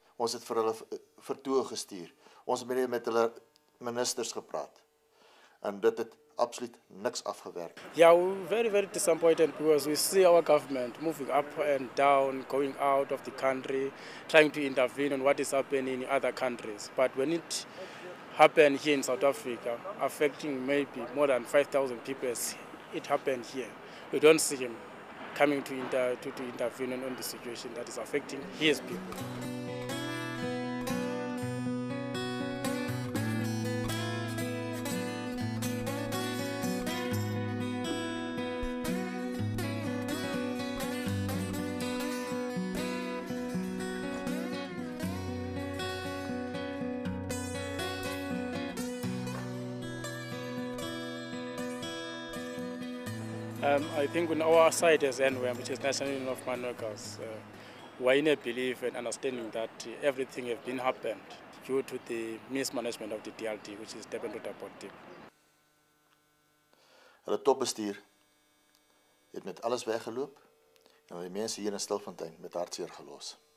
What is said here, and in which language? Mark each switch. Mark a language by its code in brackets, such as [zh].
[af] Ons het vir hulle vertoë gestuur. Ons het met hulle ministers gepraat. En dit het absoluut niks afgewerk. [en] Yeah, we're very, very disappointed because we see our government moving up and down, going out of the country, trying to intervene on what is happening in other countries. But when it happened here in South Africa, affecting maybe more than 5,000 people, as it happened here, we don't see him coming to intervene on the situation that is affecting his people. I think on our side as NWM, which is National Union of Mine Workers, we're in a belief and understanding that everything has been happened due to the mismanagement of the DLT, which is Durban Road Apportive. [af] Hulle topbestuur het met alles weggeloop en die mense hier in Stilfontein met hartseer gelos.